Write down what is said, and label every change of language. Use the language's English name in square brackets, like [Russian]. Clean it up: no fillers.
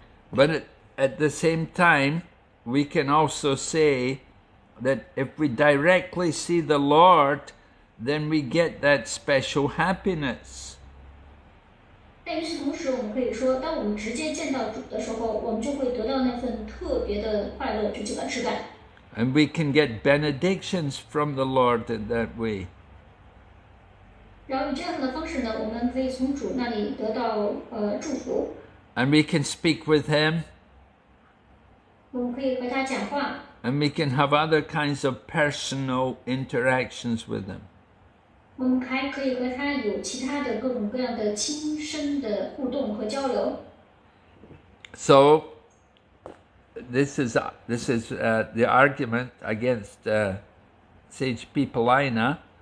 [English] But at the same time, we can also say that if we directly see the Lord, then we get that special happiness. [Chinese] 但与此同时我们可以说,当我们直接见到主的时候,我们就会得到那份特别的快乐,直接感受感。And [English] we can get benedictions from the Lord in that way. [Chinese] 然后以这样的方式呢,我们可以从主那里得到祝福。And [English] we can speak with Him. [Chinese] 我们可以和他讲话。And [English] we can have other kinds of personal interactions with Him. [Chinese] 我们还可以和他有其他的各种各样的亲身的互动和交流。So, [English] this is the argument against sage people Aina.